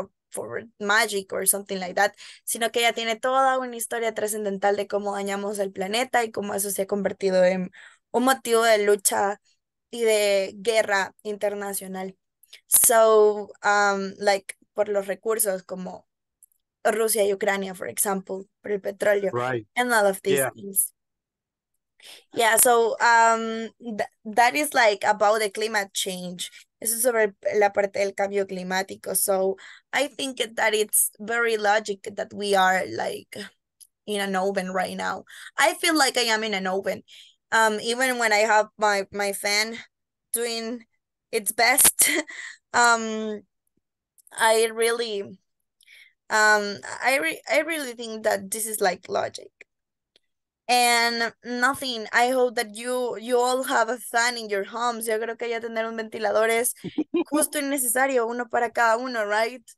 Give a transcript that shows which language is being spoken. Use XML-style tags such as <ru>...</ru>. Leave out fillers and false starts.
<en>for magic or something like that,</en> <es>sino que ella tiene toda una historia trascendental de cómo dañamos el planeta y cómo eso se ha convertido en un motivo de lucha y de guerra internacional. So, like, por los recursos como Rusia y Ucrania,</es> <en>for example,</en> <es>por el petróleo.</es> <en>Right. And all of these yeah. things. Yeah, so that is like about the climate change.</en> <es>Eso es sobre la parte del cambio climático.</es> <en>So I think that it's very logic that we are like in an oven right now. I feel like I am in an oven. Even when I have my fan doing its best, I really think that this is like logic. And nothing. I hope that you all have a fan in your homes.</en> <es>Yo creo que ya tener un ventilador es justo y necesario, uno para cada uno, right?</es>